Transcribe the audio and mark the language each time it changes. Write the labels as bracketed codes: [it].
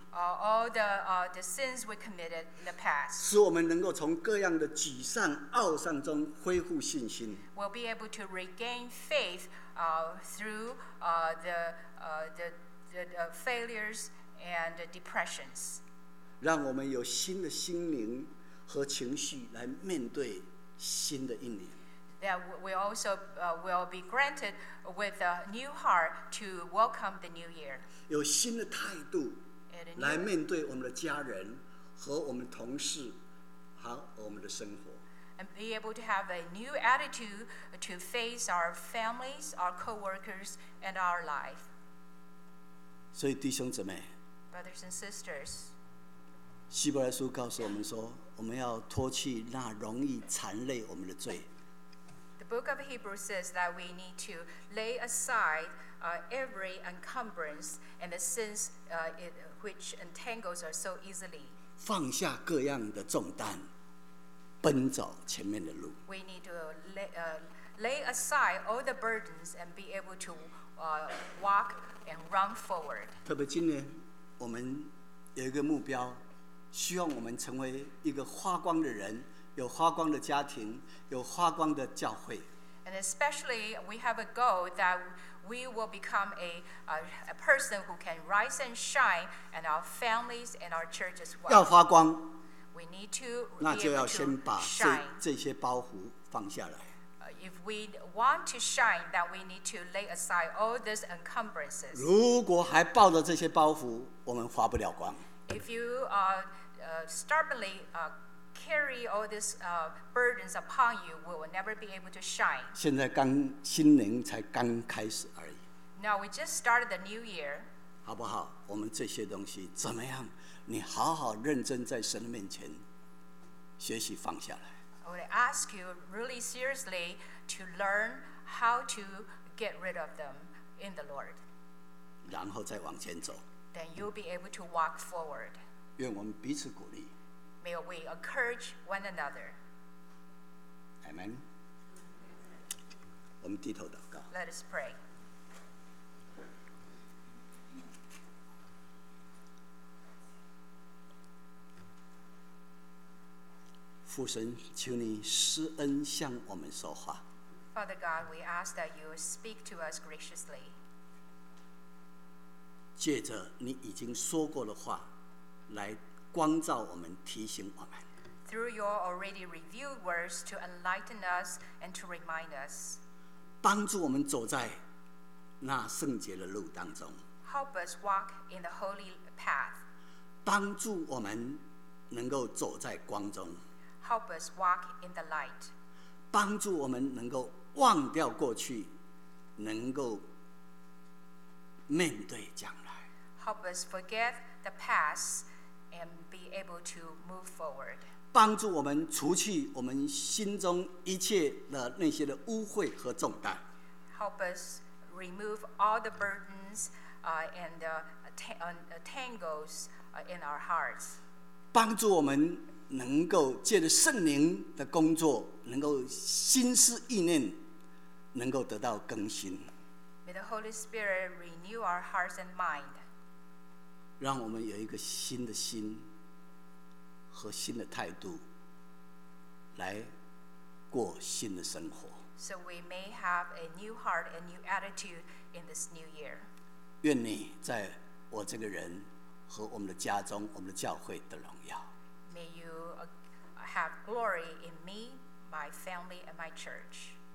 [en] All the sins we committed in the past. [zh] 使我们能够从各样的沮丧、懊丧中恢复信心。 [en] We'll be able to regain faith through the failures and the depressions. [zh] 让我们有新的心灵和情绪来面对新的一年。 [en] That we also will be granted with a new heart to welcome the new year. [zh] 有新的态度来面对我们的家人和我们同事，好我们的生活。 [en] And be able to have a new attitude to face our families, our co-workers, and our life. [zh] 所以弟兄姊妹 [en] brothers and sisters, [zh] 希伯来书告诉我们说，我们要脱去那容易缠累我们的罪。 [en] The book of Hebrews says that we need to lay aside every encumbrance and the sins which entangles us so easily. [zh] 放下各样的重担，奔走前面的路。 [en] We need to lay aside all the burdens and be able to walk and run forward. [zh] 特别今年，我们有一个目标，希望我们成为一个发光的人。有发光的家庭，有发光的教会。 [en] And especially, we have a goal that we will become a person who can rise and shine in our families and our church as well. [zh] 要发光。 [en] We need to. [zh] 那就要先把这些包袱放下来。 [en] If we want to shine, then we need to lay aside all these encumbrances. [zh] 如果还抱着这些包袱，我们发不了光。 [en] If you stubbornly carry all these burdens upon you, we will never be able to shine. [zh] 现在刚新年才刚开始而已。 [en] Now we just started the new year. [zh] 好不好？我们这些东西怎么样？你好好认真在神的面前学习放下来。 [en] I would ask you really seriously to learn how to get rid of them in the Lord. [zh] 然后再往前走。 [en] Then you'll be able to walk forward. [zh] 愿我们彼此鼓励。 [en] May we encourage one another. Amen. [zh] 我们低头祷告。 [en] Let us pray. [zh] 父神，求你施恩向我们说话。 [en] Father God, we ask that you speak to us graciously. [zh] 借着你已经说过的话来光照我们，提醒我们。 [en] Through your already revealed words to enlighten us and to remind us. [zh] 帮助我们走在那圣洁的路当中。 [en] Help us walk in the holy path. [zh] 帮助我们能够走在光中。 [en] Help us walk in the light. [zh] 帮助我们能够忘掉过去，能够面对将来。 [en] Help us forget the past. And be able to move forward. [zh] 帮助我们除去我们心中一切的那些的污秽和重担。 [en] Help us remove all the burdens and the tangles in our hearts. [zh] 帮助我们能够借着圣灵的工作，能够心思意念能够得到更新。 [en] May the Holy Spirit renew our hearts and mind. [zh] 让我们有一个新的心和新的态度来过新的生活。 [en] So we may have a new heart and new attitude in this new year. [zh] 愿你在我这个人和我们的家中、我们的教会的荣耀。 [en] May you have glory in me, my family, and my church.